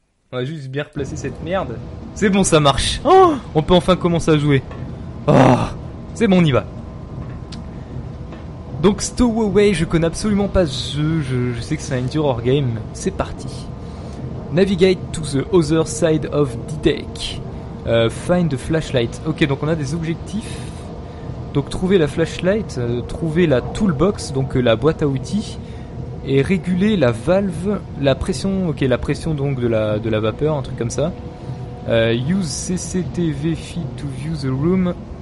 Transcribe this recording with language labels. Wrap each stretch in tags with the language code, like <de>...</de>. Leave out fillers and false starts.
<fr>On va juste bien replacer cette merde. C'est bon, ça marche. Oh, on peut enfin commencer à jouer. Oh, c'est bon, on y va. Donc Stowaway, je connais absolument pas ce jeu, je sais que c'est un Enduro Game, c'est parti.</fr> <en>Navigate to the other side of D-Deck. Find the flashlight.</en> <fr>Ok, donc on a des objectifs. Donc trouver la flashlight, trouver la toolbox, donc la boîte à outils, et réguler la valve, la pression, ok, la pression donc de la vapeur, un truc comme ça.</fr> <en>Use CCTV feed to view the room.</en>